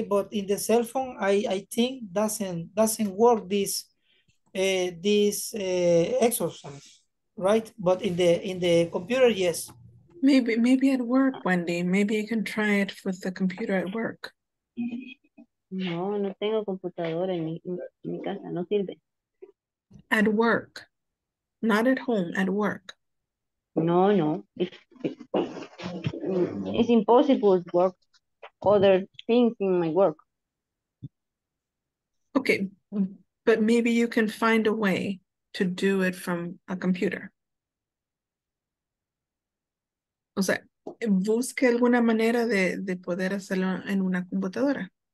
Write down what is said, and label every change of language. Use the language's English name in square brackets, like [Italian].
[English] But in the cell phone, I think doesn't work this exercise. Right, but in the computer, yes. Maybe at work, Wendy. Maybe you can try it with the computer at work. [Spanish] No, no tengo computador en mi casa, no sirve. [English] At work, not at home, at work. No, no. It's impossible to work other things in my work. Okay, but maybe you can find a way to do it from a computer. [Spanish] O sea, busque alguna manera de poder hacerlo en una computadora.